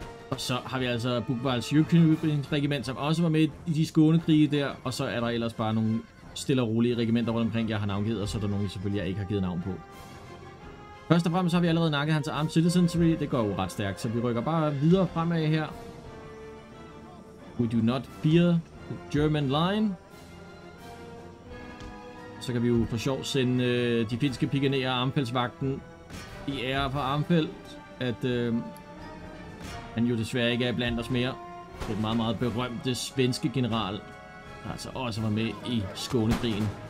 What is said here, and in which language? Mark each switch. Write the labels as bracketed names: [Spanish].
[Danish] Og så har vi altså Buchwalds Jürgen-regiment, som også var med i de Skåne-krige der. Og så er der ellers bare nogle stille og rolige regimenter rundt omkring, jeg har navngivet, og så er der nogle, selvfølgelig, jeg ikke har givet navn på. Først og fremmest så har vi allerede nakket hans arm citizenry. Det går jo ret stærkt, så vi rykker bare videre fremad her. [English] We do not fear the German line. [Danish] Så kan vi jo for sjov sende de finske pikanere og armfældsvagten i ære for armfæld, at han jo desværre ikke er blandt os mere. Det er meget, meget berømte svenske general, der altså også var med i Skånekrigen.